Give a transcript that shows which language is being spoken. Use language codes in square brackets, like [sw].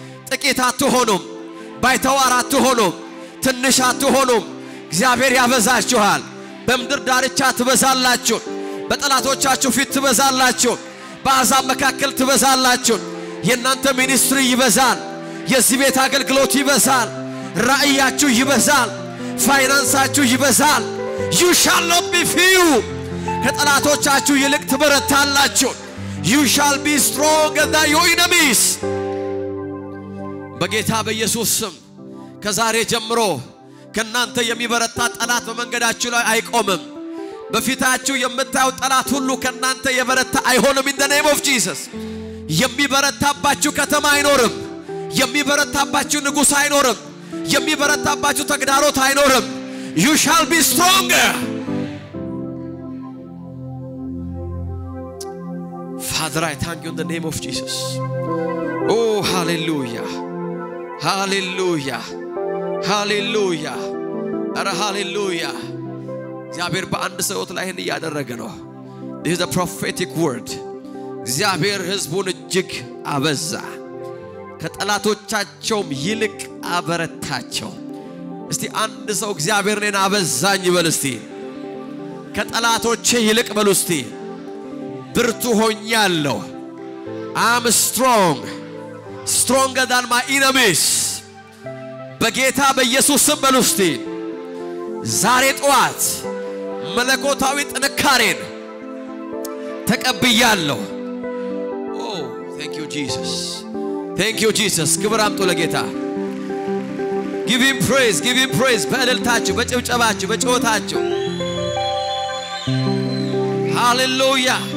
[am] ጥቂት አትሆኑም ባይተዋር አትሆኑም ትንሽ አትሆኑም እግዚአብሔር ያበዛችኋል በምድር ዳርቻ ትበዛላችሁ በጠላቶቻችሁ ፊት ትበዛላችሁ በአሕዛብ መካከል ትበዛላችሁ የእናንተ ሚኒስትሪ ይበዛል የዚህ ቤት አገልግሎት ይበዛል ራእያችሁ ይበዛል ፋይናንሳችሁ ይበዛል [en] you shall not be few [am] ከጠላቶቻችሁ ይልቅ ትበረታላችሁ [en] You shall be stronger than your enemies. [am] በጌታ በኢየሱስም ከዛሬ ጀምሮ ከናንተ የሚበረታ ጠላት በመንገዳችሁ ላይ አይቆምም። በፊታችሁ የምታዩት ጠላት ሁሉ ከናንተ የበረታ አይሆንም [en] in the name of Jesus. [am] የሚበረታባችሁ ከተማ አይኖርም። የሚበረታባችሁ ንጉስ አይኖርም። የሚበረታባችሁ ተግዳሮት አይኖርም። [en] You shall be stronger. Father, I thank you in the name of Jesus. Oh, hallelujah. Hallelujah. Hallelujah. Ara hallelujah. [am] እግዚአብሔር በአንድ ሰውት ላይ እንዲህ ያደረገ ነው. [en] This is a prophetic word. [am] እግዚአብሔር ሕዝቡን እጅግ አበዛ. ከጠላቶቻቸውም ይልቅ አበረታቸው. እስቲ አንድ ሰው እግዚአብሔርን እናበዛኝ ይበል እስቲ. ከጠላቶቼ ይልቅ በሉ እስቲ. ብርቱ ሆኛለሁ [en] I'm strong stronger than my enemies [am] በጌታ በኢየሱስ ስም በሉስቲ ዛሬ ጠዋት መለኮታዊ ጥንካሬን ተቀብያለሁ። [en] ኦ ቴንክ ዩ ጂሰስ ቴንክ ዩ ጂሰስ [am] ክብራም ጦለ ጌታ [en] ጊቭ ሂም ፕሬዝ ጊቭ ሂም ፕሬዝ [am] በእልልታችሁ በጭብጨባችሁ በጮታችሁ [en] ሃሌሉያ